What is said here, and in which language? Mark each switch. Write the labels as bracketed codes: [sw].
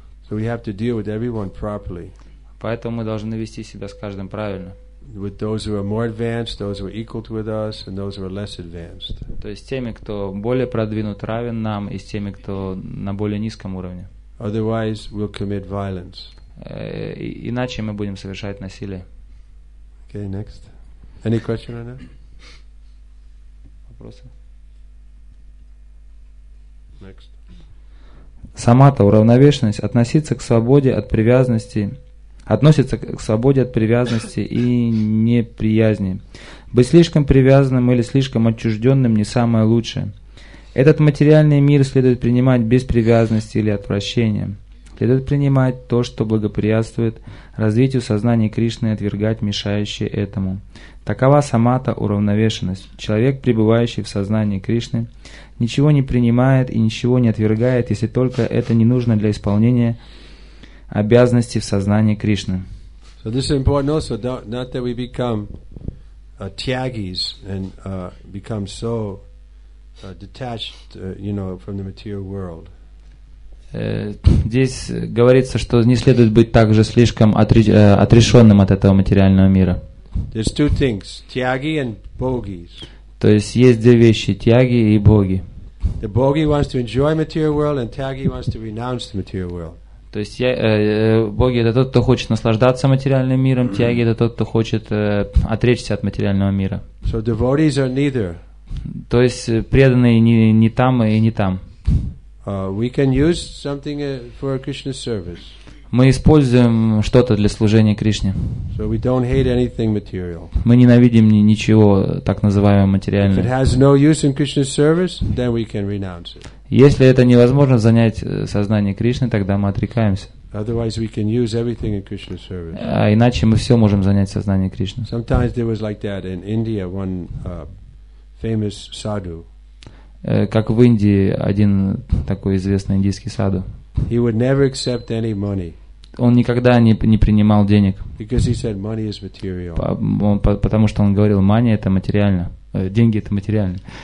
[en] So we have to deal with everyone properly. [ru] Поэтому мы должны вести себя с каждым правильно. [en] With those who are more advanced, those who are equal to us, and those who are less advanced. [ru] То есть теми, кто более продвинут, равен нам, и с теми, кто на более низком уровне. [en] Otherwise, we'll commit violence. [ru] Иначе мы будем совершать насилие. [en] Okay, next. Any question on that? [ru] Вопросы? [en] Next. [ru] Самата, уравновешенность, относиться к свободе от привязанности. Относится к свободе от привязанности и неприязни. Быть слишком привязанным или слишком отчужденным не самое лучшее. Этот материальный мир следует принимать без привязанности или отвращения. Следует принимать то, что благоприятствует развитию сознания Кришны и отвергать мешающее этому. Такова самата уравновешенность. Человек, пребывающий в сознании Кришны, ничего не принимает и ничего не отвергает, если только это не нужно для исполнения обязанности в сознании Кришны. [en] So this is important also, not that we become tyagis and become so detached, you know, from the material world. [ru] Здесь говорится, что не следует быть также слишком отрешенным от этого материального мира. [en] There's two things, tyagi and bogis. [ru] То есть есть две вещи, тяги и боги. [en] The bogi wants to enjoy material world, and tyagi wants to renounce the material world. [ru] То есть боги — это тот, кто хочет наслаждаться материальным миром, тяги — это тот, кто хочет отречься от материального мира. [en] So devotees are neither. [ru] То есть преданные не там и не там. [en] We can use something for Krishna's service. [ru] Мы используем что-то для служения Кришне. [en] So we don't hate anything material. [ru] Мы ненавидим ничего так называемого материального. [en] If it has no use in Krishna's service, then we can renounce it. [ru] Если это невозможно занять сознание Кришны, тогда мы отрекаемся. [en] Otherwise we can use everything in Krishna's service. [ru] А иначе мы все можем занять сознание Кришны. [en] Sometimes there was like that in India, one famous sadhu. [ru] Как в Индии один такой известный индийский саду. [en] He would never accept any money. [ru] Он никогда не принимал денег. [en] Because he said money is material. [ru] Потому что он говорил, money — это материально, деньги — это материально.